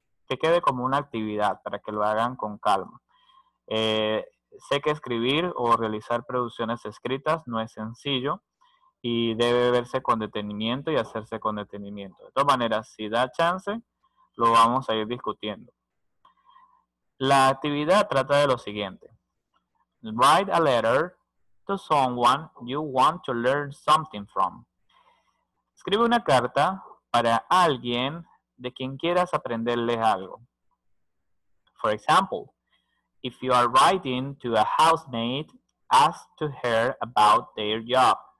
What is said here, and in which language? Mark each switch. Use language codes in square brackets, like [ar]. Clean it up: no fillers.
[es] Que quede como una actividad para que lo hagan con calma. Sé que escribir o realizar producciones escritas no es sencillo. Y debe verse con detenimiento y hacerse con detenimiento. De todas maneras, si da chance, lo vamos a ir discutiendo. La actividad trata de lo siguiente. [en] Write a letter to someone you want to learn something from. [es] Escribe una carta para alguien de quien quieras aprenderle algo. [en] For example, if you are writing to a housemate, ask to her about their job.